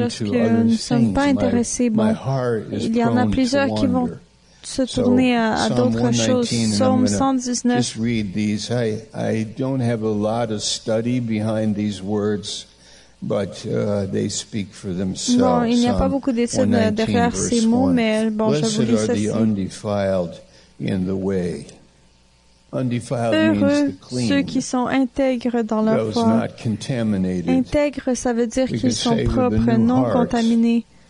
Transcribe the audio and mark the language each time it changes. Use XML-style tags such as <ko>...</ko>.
<fr>lorsque</fr> <en>to</en> <fr>nous ne sommes pas intéressés, bon, il y en a plusieurs qui vont se tourner à d'autres choses. Psaume 119.</fr> <en>Just read these. I don't have a lot of study behind these words, but they speak for themselves.</en> <fr>Bon, il n'y a pas beaucoup d'études derrière ces mots, mais bon, je vous lis ceci.</fr> <en>Undefiled in the way.</en> <fr>Heureux ceux qui sont intègres dans leur foi. Intègres, ça veut dire qu'ils sont propres, non contaminés.</fr>